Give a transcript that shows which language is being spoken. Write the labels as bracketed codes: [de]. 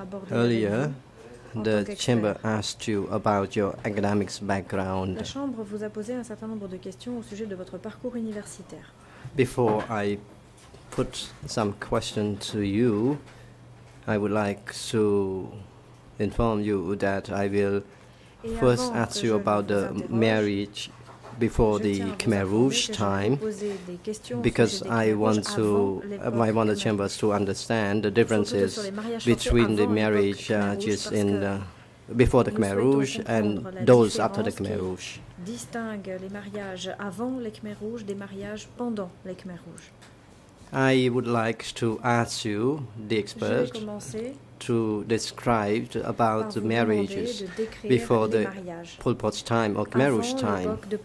[en] Earlier, the chamber asked you about your academics background. [fr] La chambre vous a posé un certain nombre de questions au sujet de votre parcours universitaire. [en] Before I put some question to you, I would like to inform you that I will first ask you about the marriage before the Khmer Rouge time, because I want the chambers to understand the differences between the marriage just in the before the Khmer Rouge and those after the Khmer Rouge. [fr] Distingue les mariages avant les Khmer Rouge des mariages pendant les Khmer Rouge. [en] I would like to ask you, the expert, to describe about the marriages before the Pol Pot's time or Khmer Rouge time.